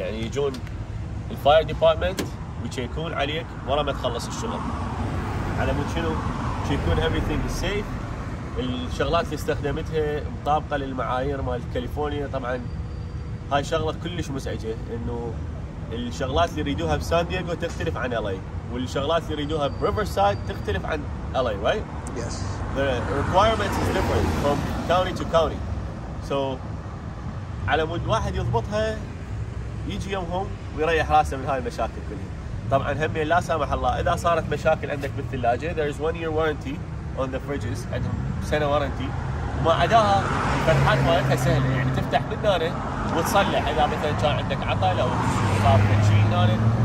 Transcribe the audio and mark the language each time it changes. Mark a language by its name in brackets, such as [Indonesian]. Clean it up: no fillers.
[Arabic] يعني يجون الفاير ديبارتمنت ويشيكون عليك ورا ما تخلص الشغل على مود شنو يشيكون [English] everything is safe. [Arabic] الشغلات اللي استخدمتها مطابقة للمعايير مال كاليفورنيا. طبعا هاي شغلة كلش مزعجة، انه الشغلات اللي يريدوها بسان دييغو تختلف عن LA، والشغلات اللي يريدوها بريفرسايد تختلف عن LA. [English] right? yes. the requirements is different from county to county. so [Arabic] على مود واحد يضبطها يجي يومهم ويريح راسه من هاي المشاكل كلها. طبعا هم لا سامح الله اذا صارت مشاكل عندك بالثلاجه، [English] there is one year warranty on the fridges، [Arabic] عندهم سنه warranty. وما عداها الفتحات مالتها سهله، يعني تفتح من هنا وتصلح اذا مثلا كان عندك عطل او صار شيء هنا.